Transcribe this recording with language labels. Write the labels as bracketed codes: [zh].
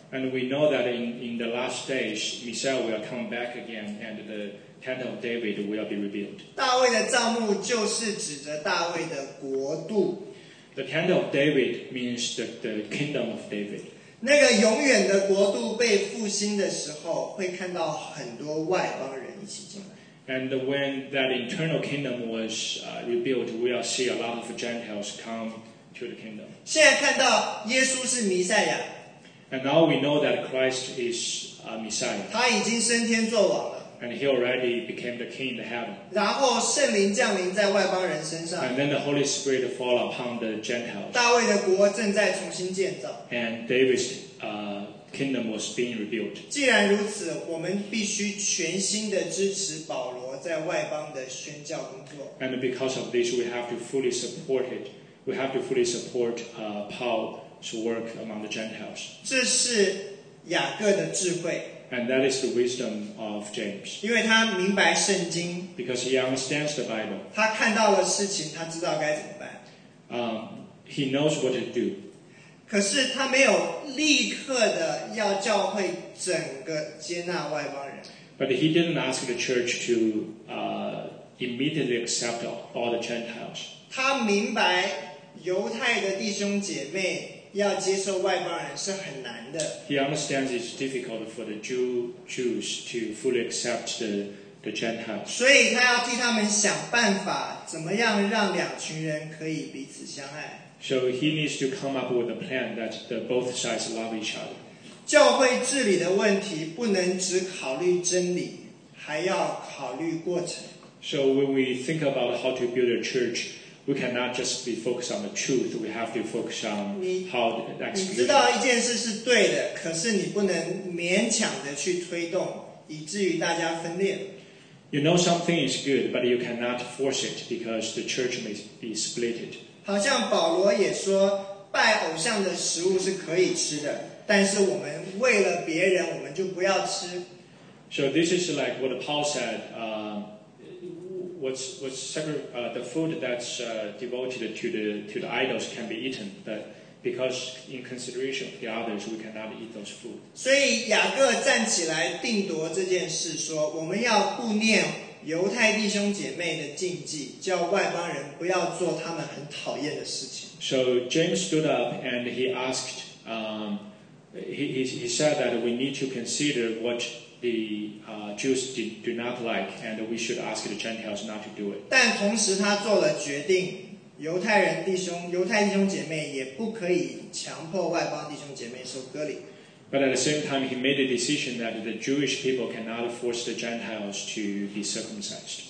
[en] And we know that in the last days, Messiah will come back again, and the tent of David will be rebuilt. [zh] 大卫的帐幕就是指着大卫的国度。 [en] The tent of David means the kingdom of David. [zh] 那个永远的国度被复兴的时候，会看到很多外邦人一起进来。 [en] And when that internal kingdom was rebuilt, we'll see a lot of Gentiles come to the kingdom. [zh] 现在看到耶稣是弥赛亚。 [en] And now we know that Christ is Messiah. [zh] 他已经升天作王了。 [en] And he already became the king in heaven. [zh] 然后圣灵降临在外邦人身上。 [en] And then the Holy Spirit fall upon the Gentiles. [zh] 大卫的国正在重新建造。 [en] And David's Kingdom was being rebuilt. [zh] 既然如此，我们必须全心的支持保罗在外邦的宣教工作。 [en] And because of this, we have to fully support it. We have to fully support Paul's work among the Gentiles. [zh] 这是雅各的智慧。 [en] And that is the wisdom of James. [zh] 因为他明白圣经。 [en] Because he understands the Bible. [zh] 他看到了事情，他知道该怎么办。 [en] He knows what to do. [zh] 可是他没有立刻的要教会整个接纳外邦人。 [en] But he didn't ask the church to immediately accept all the Gentiles. [zh] 他明白犹太的弟兄姐妹要接受外邦人是很难的。 [en] He understands it's difficult for the Jews to fully accept the Gentiles. [zh] 所以他要替他们想办法，怎么样让两群人可以彼此相爱。 [en] So he needs to come up with a plan that the both sides love each other. [zh] 教会治理的问题不能只考虑真理，还要考虑过程。 [en] So when we think about how to build a church,We cannot just be focused on the truth. We have to focus on how the execution. [zh] 你知道一件事是对的，可是你不能勉强的去推动，以至于大家分裂。 [en] You know something is good, but you cannot force it because the church may be split. [zh] 好像保罗也说，拜偶像的食物是可以吃的，但是我们为了别人，我们就不要吃。 [en] So this is like what Paul said. The food that's devoted to the idols can be eaten, but because in consideration of the others, we cannot eat those food. [zh] 所以雅各站起来定夺这件事，说我们要顾念犹太弟兄姐妹的禁忌，叫外邦人不要做他们很讨厌的事情。 [en] So James stood up and he asked, he said that we need to consider what. The Jews do not like, and we should ask the Gentiles not to do it. [zh] 但同时他做了决定，犹太人弟兄、犹太弟兄姐妹也不可以强迫外邦弟兄姐妹受割礼。 [en] But at the same time, he made a decision that the Jewish people cannot force the Gentiles to be circumcised.